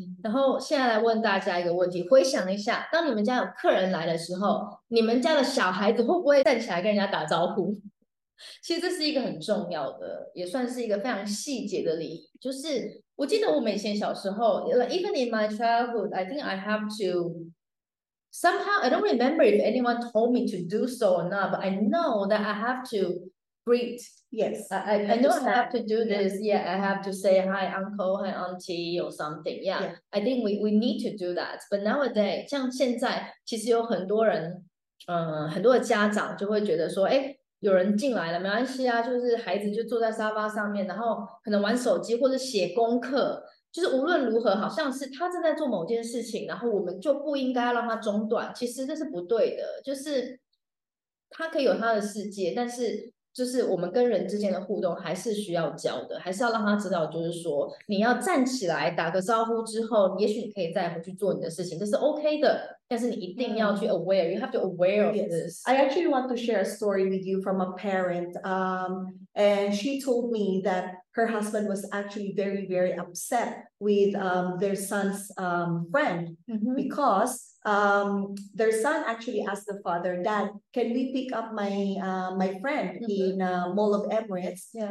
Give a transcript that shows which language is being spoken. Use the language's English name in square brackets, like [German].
[Chinese] 然后现在来问大家一个问题，回想一下，当你们家有客人来的时候，你们家的小孩子会不会站起来跟人家打招呼？其实这是一个很重要的，也算是一个非常细节的礼仪。就是我记得我以前小时候 [English] ，even in my childhood, I think I have to somehow. I don't remember if anyone told me to do so or not, but I know that I have to greet. Yes, I know I have to do this. Yeah, I have to say hi, uncle, hi, auntie, or something. Yeah, yeah. I think we need to do that. But nowadays, [Chinese] 像现在，其实有很多人，很多的家长就会觉得说，哎，有人进来了，没关系啊，就是孩子就坐在沙发上面，然后可能玩手机或者写功课，就是无论如何，好像是他正在做某件事情，然后我们就不应该让他中断。其实这是不对的，就是他可以有他的世界，但是。就是我们跟人之间的互动还是需要教的，还是要让他知道，就是说你要站起来打个招呼之后，也许你可以再回去做你的事情，这是 OK 的。但是你一定要去 [English] aware, you have to aware of this. I actually want to share a story with you from a parent. And she told me that her husband was actually very, very upset with their son's friend because their son actually asked the father, "Dad, can we pick up my my friend in Mall of Emirates?